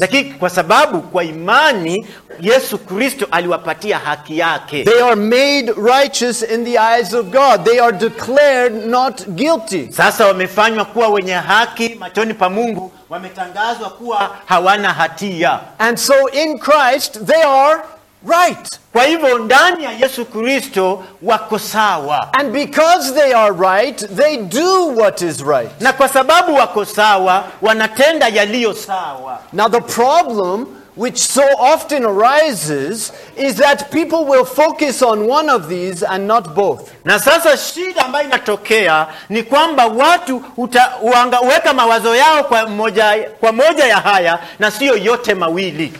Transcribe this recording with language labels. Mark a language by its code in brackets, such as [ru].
[sw] Lakini kwa sababu kwa imani Yesu Kristo aliwapatia haki yake. [en] They are made righteous in the eyes of God. They are declared not guilty. [sw] Sasa wamefanywa kuwa wenye haki machoni pa Mungu, wametangazwa kuwa hawana hatia. [en] And so in Christ they are right. [sw] Kwa hivyo ndani ya Yesu Kristo wako sawa. [en] And because they are right, they do what is right. [sw] Na kwa sababu wako sawa, wanatenda yaliyo sawa. [en] Now the problem which so often arises is that people will focus on one of these and not both. [sw] Na sasa shida ambayo inatokea ni kwamba watu huweka mawazo yao kwa moja ya haya na sio yote mawili.